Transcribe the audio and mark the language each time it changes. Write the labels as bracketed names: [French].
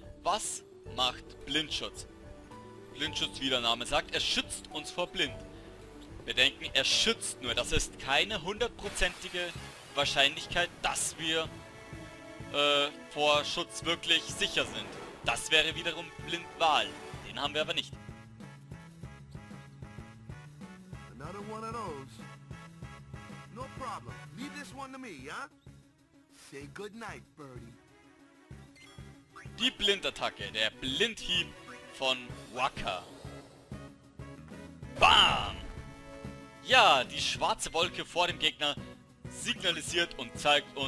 [German] Was macht Blindschutz? Blindschutz, wie der Name sagt, er schützt uns vor Blind. Bedenken, er schützt nur. Das ist keine hundertprozentige Wahrscheinlichkeit, dass wir vor Schutz wirklich sicher sind. Das wäre wiederum Blindwahl. Den haben wir aber nicht. [English] Another one of those. No problem. Leave this one to me, yeah? Say good night, Birdie. [German] Die Blindattacke, der Blindhieb von Waka. Bam! Ja, die schwarze Wolke vor dem Gegner signalisiert und zeigt uns...